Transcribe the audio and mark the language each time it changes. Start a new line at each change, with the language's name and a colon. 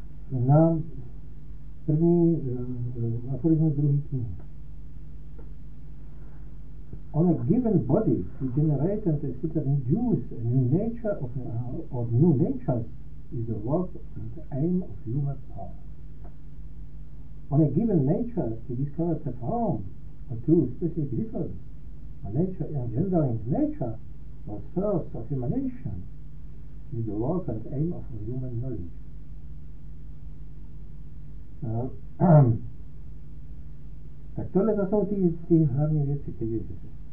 Czech: Na první aforismus druhý knihy.
English: On a given body to generate and exhibit new natures is the work and the aim of human power. On a given nature to discover the form or two specific differences, a nature engendering nature or source of emanation is the work and aim of human knowledge.
Czech: Tak tohle to jsou ty hlavní věci, které vidíte.